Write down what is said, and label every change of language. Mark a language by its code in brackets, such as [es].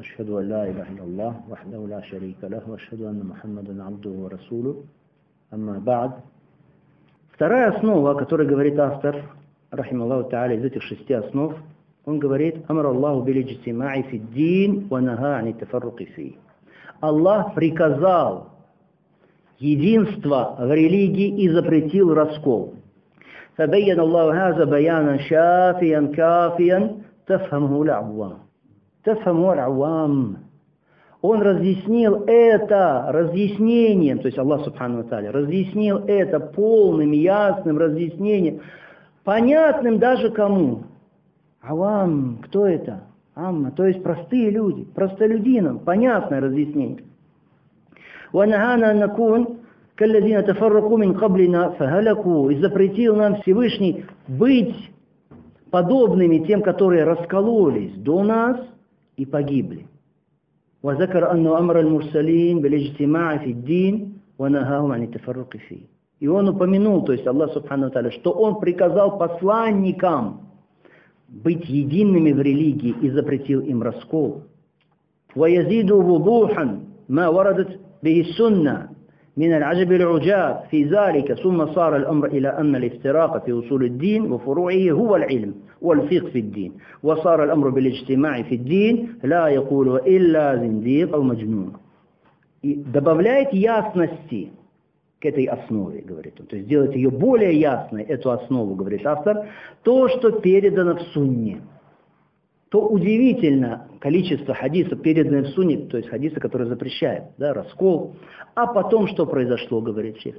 [ar] أشهد أن لا إله إلا الله وحده لا شريك له، وأشهد أن محمدا عبده ورسوله. أما بعد، [ru] вторая основа, о которой говорит автор, [ar] رحمه الله تعالى, [ru] из этих шести основ, он говорит: [ar] أمر الله بالاجتماع في الدين ونهى عن التفرق فيه. [ru] Аллах приказал единство в религии и запретил раскол. [ar] فبين الله هذا بيانا شافيا كافيا تفهمه العوام. تفهمه العوام. [ru] Он разъяснил это разъяснением, то есть Аллах Субхану ва Тааля разъяснил это полным, ясным разъяснением, понятным даже кому? Авам, кто это? Амма, то есть простые люди, простолюдинам, понятное разъяснение. [ar] وَنَهَانَا نَكُونْ كَالَّذِينَ تَفَرَّقُوا مِنْ قَبْلِنَا فَهَلَكُوا. [ru] И запретил нам Всевышний быть подобными тем, которые раскололись до нас и погибли. [ar] وَذَكَرَ أَنَّ أَمْرَ الْمُرْسَلِينَ بِالِاجْتِمَاعِ فِي الدِّينِ وَنَهَاهُمْ عَنِ التَفَرُّقِ فِيهِ. [ru] И он упомянул, то есть Аллах Субхану ва Тааля, что он приказал посланникам быть едиными в религии и запретил им раскол. [ar] وَيَزِيدُ وُضُوحًا مَا وَرَدَتْ بِهِ السُّنَّةِ مِنَ الْعَجَبِ الْعُجَابِ فِي ذَلِكَ سُمَّ صَارَ الْأَمْرَ إِلَىٰ أَنَّ الْإِفْتِرَاقَ فِي أُصُولِ الدِّينِ وَفُرُوعِهِ هُوَ الْعِلْمِ والفيق في الدين وصار الأمر بالاجتماع في الدين لا يقول إلا زنديق أو مجنون. [ru] Добавляет ясности к этой основе, говорит он. То есть делает ее более ясной, эту основу, говорит автор, то, что передано в сунне. То удивительно количество хадисов, переданных в сунне, то есть хадисы, которые запрещают, да, раскол, а потом что произошло, говорит шейх.